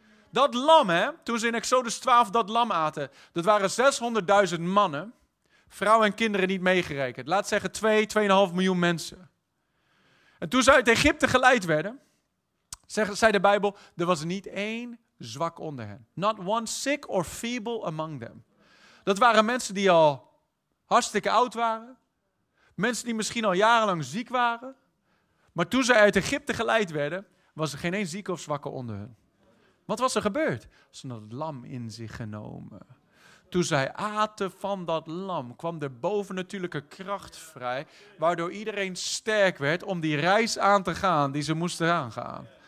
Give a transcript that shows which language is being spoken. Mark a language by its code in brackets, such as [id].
[nl] Dat lam, hè, toen ze in Exodus 12 dat lam aten, dat waren 600.000 mannen, vrouwen en kinderen niet meegerekend. Laat zeggen 2,5 miljoen mensen. En toen ze uit Egypte geleid werden, zei de Bijbel, er was niet één zwak onder hen. [en] Not one sick or feeble among them. [nl] Dat waren mensen die al hartstikke oud waren. Mensen die misschien al jarenlang ziek waren. Maar toen ze uit Egypte geleid werden, was er geen één zieke of zwakke onder hen. Wat was er gebeurd? Ze hadden het lam in zich genomen. Toen zij aten van dat lam, kwam de bovennatuurlijke kracht vrij, waardoor iedereen sterk werd om die reis aan te gaan die ze moesten aangaan.